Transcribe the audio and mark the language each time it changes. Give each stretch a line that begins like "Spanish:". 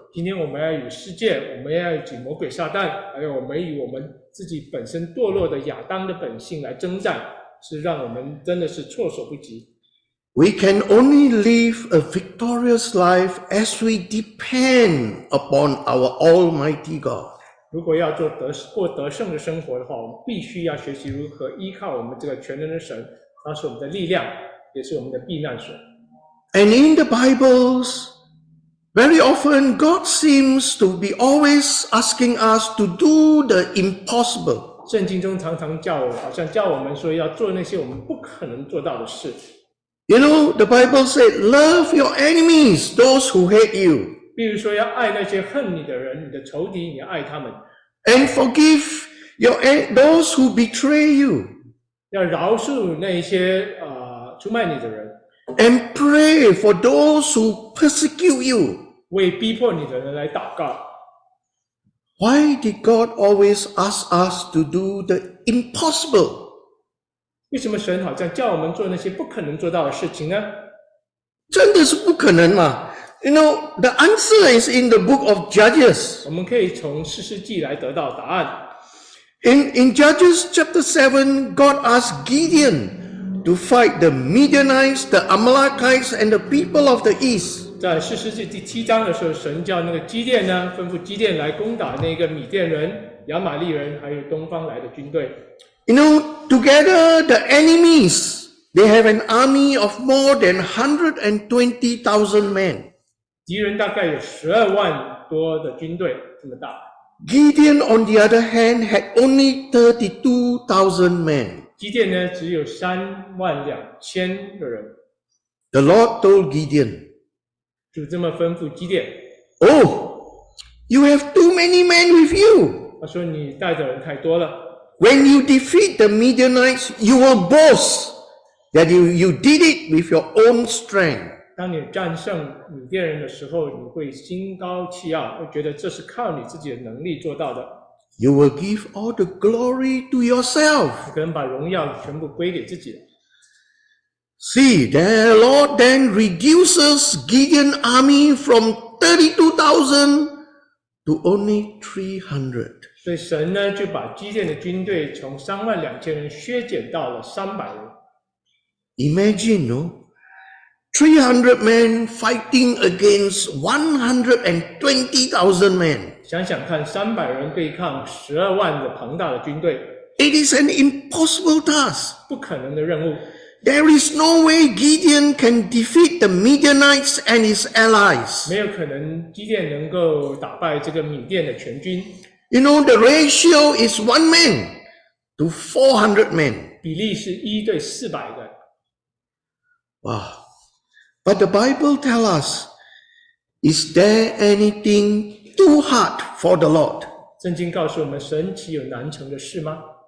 Chinese: 今天我们要与世界，我们要与魔鬼撒旦，还有我们与我们自己本身堕落的亚当的本性来征战，是让我们真的是措手不及。
English: We can only live a victorious life as we depend upon our Almighty God.
Chinese: 如果要做过得胜的生活的话，我们必须要学习如何依靠我们这个全能的神，他是我们的力量，也是我们的避难所。
English: And in the Bibles, very often God seems to be always asking us to do the impossible.
Chinese: 圣经中常常叫我，好像叫我们说要做那些我们不可能做到的事。
English: You know, the Bible said, love your enemies, those who hate you.
Chinese: 比如说要爱那些恨你的人，你的仇敌，你爱他们。
English: And forgive those who betray you.
Chinese: 要饶恕那些出卖你的人。
English: And pray for those who persecute you.
Chinese: 为逼迫你的人来祷告。
English: Why did God always ask us to do the impossible?
Chinese: 为什么神好像叫我们做那些不可能做到的事情呢？真的是不可能嘛。
English: You know, the answer is in the book of Judges.
Chinese: 我们可以从士师记来得到答案。
English: In Judges chapter 7, God asked Gideon to fight the Midianites, the Amalekites, and the people of the east.
Chinese: 在士师记第七章的时候，神叫那个基甸呢，吩咐基甸来攻打那个米甸人、亚玛利人，还有东方来的军队。
English: You know, together the enemies, they have an army of more than 120,000 men.
Chinese: 敌人大概有12万多的军队，这么大。
English: Gideon, on the other hand, had only 32,000 men.
Chinese: 基甸呢，只有32,000个人。
English: The Lord told Gideon,
Chinese: 主这么吩咐基甸。
English: Oh, you have too many men with you.
Chinese: 他说你带的人太多了。
English: When you defeat the Midianites, you will boast that you did it with your own strength.
Chinese: 当你战胜米甸人的时候，你会心高气傲，会觉得这是靠你自己的能力做到的。
English: You will give all the glory to yourself.
Chinese: 你可能把荣耀全部归给自己。
English: See, the Lord then reduces Gideon's army from 32,000 to only 300.
Chinese: 所以神呢，就把基甸的军队从32,000人削减到了300人。
English: Imagine, no? 300 men fighting against 120,000 men.
Chinese: 想想看,300人对抗12万的庞大的军队。
English: It is an impossible task.
Chinese: 不可能的任务。
English: There is no way Gideon can defeat the Midianites and his allies.
Chinese: 没有可能基甸能够打败这个米甸的全军。
English: You know, the ratio is one man to 400 men.
Chinese: 比例是一对400的。 Wow.
English: But the Bible tells us, is there anything too hard for the Lord?
Chinese: 圣经告诉我们神岂有难成的事吗？